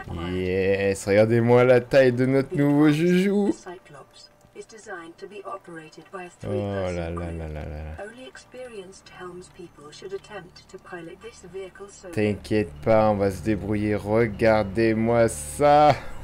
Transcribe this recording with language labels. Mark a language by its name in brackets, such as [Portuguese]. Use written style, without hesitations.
[French] Yes! Regardez-moi la taille de notre nouveau joujou! [English] Is designed to be operated by a three-person crew. Only experienced helmspeople should attempt to pilot this vehicle solo. [French] T'inquiète pas, on va se débrouiller. Regardez-moi ça.